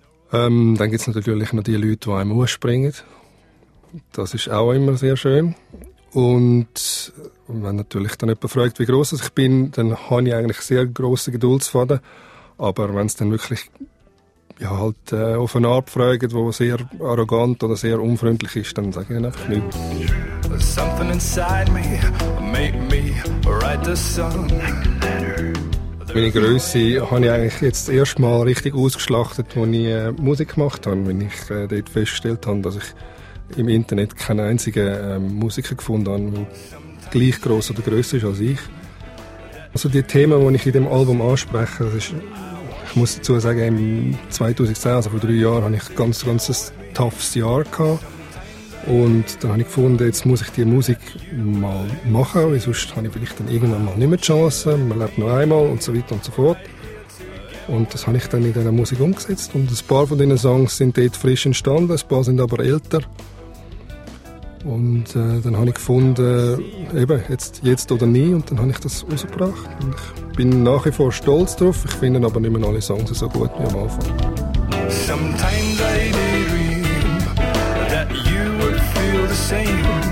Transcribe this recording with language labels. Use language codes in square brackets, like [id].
[de] Dann gibt es natürlich noch die Leute, die einem ausspringen. Das ist auch immer sehr schön. Und wenn natürlich dann jemand fragt, wie gross ich bin, dann habe ich eigentlich sehr grossen Geduldsfaden. Aber wenn es dann wirklich ja, halt, auf eine Art fragt, die sehr arrogant oder sehr unfreundlich ist, dann sage ich einfach nichts. [en] Something inside me made me write a song. [de] Meine Grösse habe ich eigentlich jetzt erstmal richtig ausgeschlachtet, als ich Musik gemacht habe, wenn ich dort festgestellt habe, dass ich im Internet keinen einzigen Musiker gefunden habe, der gleich gross oder grösser ist als ich. Also die Themen, die ich in dem Album anspreche, das ist, ich muss dazu sagen, im 2010, also vor 3 Jahren, hatte ich ein ganz, ganz toughes Jahr gehabt. Und dann habe ich gefunden, jetzt muss ich die Musik mal machen, weil sonst habe ich vielleicht dann irgendwann mal nicht mehr die Chance, man lebt noch einmal und so weiter und so fort. Und das habe ich dann in dieser Musik umgesetzt. Und ein paar von diesen Songs sind dort frisch entstanden, ein paar sind aber älter. Und dann habe ich gefunden, eben, jetzt oder nie, und dann habe ich das rausgebracht. Und ich bin nach wie vor stolz drauf, ich finde aber nicht mehr alle Songs so gut wie am Anfang. [en] Sometimes I dream that you would feel the same.